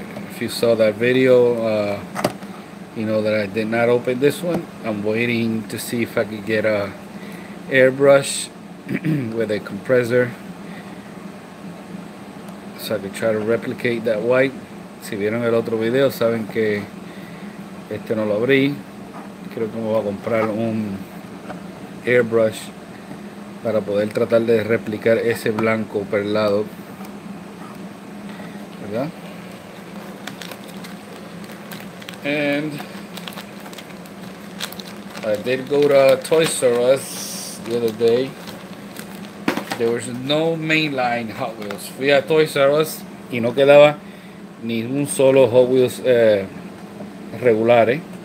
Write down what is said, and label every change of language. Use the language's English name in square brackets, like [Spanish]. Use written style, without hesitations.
[English] If you saw that video, you know that I did not open this one. I'm waiting to see if I could get a airbrush with a compressor so I could try to replicate that white. [Spanish] Si vieron el otro video, saben que este no lo abrí. Creo que me voy a comprar un airbrush para poder tratar de replicar ese blanco perlado, ¿verdad? [English] And I did go to Toys R Us the other day. There was no mainline Hot Wheels. [Spanish] Fui a Toys R Us y no quedaba ningún solo Hot Wheels regulares.